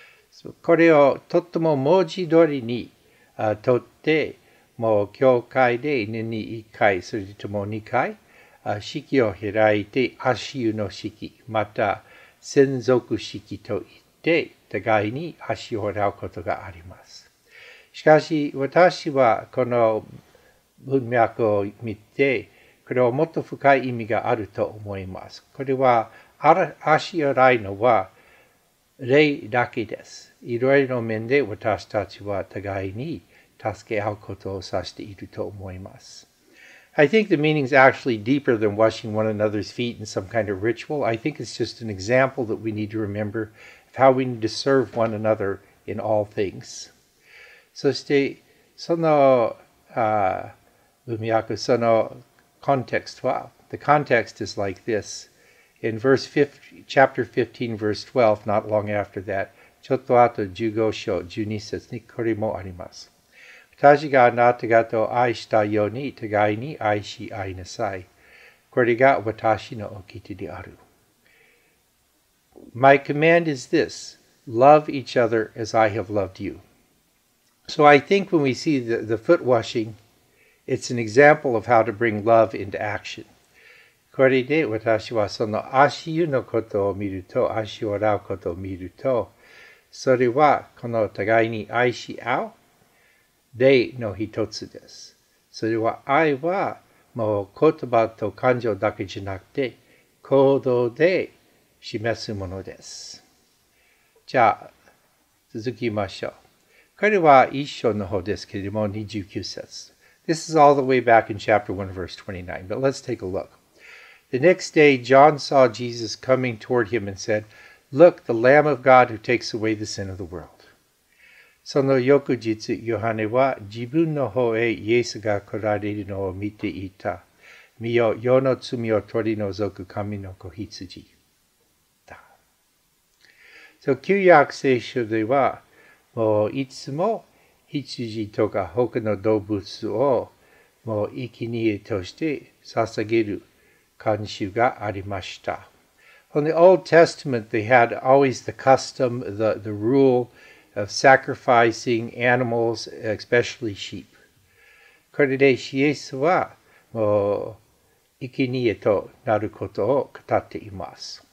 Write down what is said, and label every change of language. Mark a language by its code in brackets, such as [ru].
[ja] So, これをとっても文字通りにとって、もう教会で年に一回、それとも二回、式を開いて、足湯の式、また専属式といって、互いに足を洗うことがあります。しかし、私はこの文脈を見て、これはもっと深い意味があると思います。これは、足を洗うのは、礼だけです。いろいろな面で私たちは互いに助け合うことを指していると思います。 [en] I think the meaning is actually deeper than washing one another's feet in some kind of ritual. I think it's just an example that we need to remember of how we need to serve one another in all things. [ja] そして、その文脈、そのコンテクストは、 [en] the context is like this. In verse 50, chapter 15, verse 12, not long after that, [ja] ちょっとあと15章、12節にこれもあります。私があなた方を愛したように互いに愛し合いなさい。これが私の掟である。 [en] My command is this, love each other as I have loved you. So I think when we see the foot washing, it's an example of how to bring love into action. [ja] これで私はその足湯のことを見ると、足を洗うことを見ると、それはこの互いに愛し合う。礼の一つです。それは愛はもう言葉と感情だけじゃなくて行動で示すものです。じゃあ続きましょう。これは一章の方ですけれども29節。 [en] This is all the way back in chapter 1 verse 29, but let's take a look. The next day John saw Jesus coming toward him and said, Look, the Lamb of God who takes away the sin of the world. [ja] その翌日、ヨハネは自分の方へイエスが来られるのを見ていた。見よ、世の罪を取り除く神の子羊だ。 So, 旧約聖書では、もういつも羊とか他の動物をもう生き贄として捧げる慣習がありました。 [en] In the Old Testament, they had always the custom, the rule,of sacrificing animals, especially sheep. [ja] これでイエスはもう生贄となることを語っています。